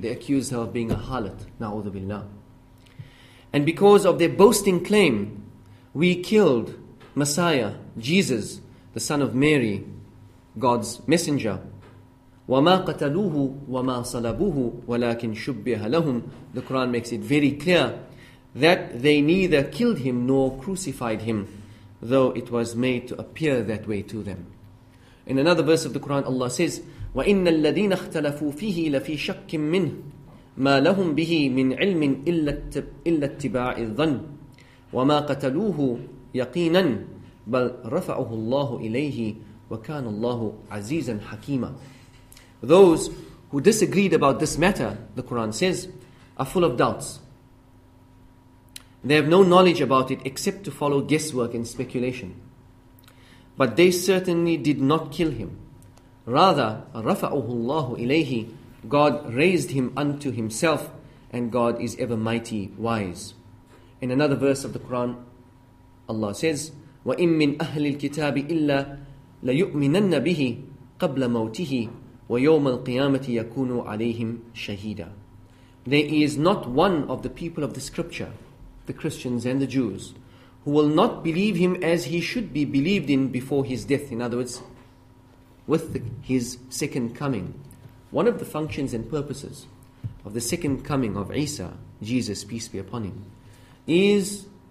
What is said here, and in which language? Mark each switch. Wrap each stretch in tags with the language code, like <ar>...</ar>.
<en>They accused her of being a harlot, na'udhu billah. And because of their boasting claim, we killed Messiah, Jesus, the son of Mary, God's messenger.</en> <ar>وَمَا قَتَلُوهُ وَمَا صَلَبُوهُ وَلَكِنْ شُبِّهَ لَهُمْ.</ar> <en>The Quran makes it very clear that they neither killed him nor crucified him, though it was made to appear that way to them. In another verse of the Quran, Allah says,</en> <ar>وَإِنَّ الَّذِينَ اخْتَلَفُوا فِيهِ لَفِي شَكٍ مِّنْهِ مَا لَهُمْ بِهِ مِنْ عِلْمٍ إِلَّا اتِّبَاعِ الظَّنِّ وَمَا قَتَلُوهُ يَقِينًا بَلْ رَفَعُهُ اللَّهُ إِلَيْهِ وَكَانَ اللَّهُ عَزِيزًا حَكِيمًا.</ar> <en>Those who disagreed about this matter, the Quran says, are full of doubts. They have no knowledge about it except to follow guesswork and speculation. But they certainly did not kill him. Rather,</en> <ar>رَفَعُهُ اللَّهُ إِلَيْهِ.</ar> <en>God raised him unto himself, and God is ever mighty wise. In another verse of the Quran, Allah says,</en> <ar>وَإِن مِّنْ أَهْلِ الْكِتَابِ إِلَّا لَيُؤْمِنَنَّ بِهِ قَبْلَ مَوْتِهِ وَيَوْمَ الْقِيَامَةِ يَكُونُ عَلَيْهِمْ شَهِيدًا.</ar> <en>There is not one of the people of the scripture, the Christians and the Jews, who will not believe him as he should be believed in before his death. In other words, with his second coming. One of the functions and purposes of the second coming of Isa, Jesus, peace be upon him, is</en>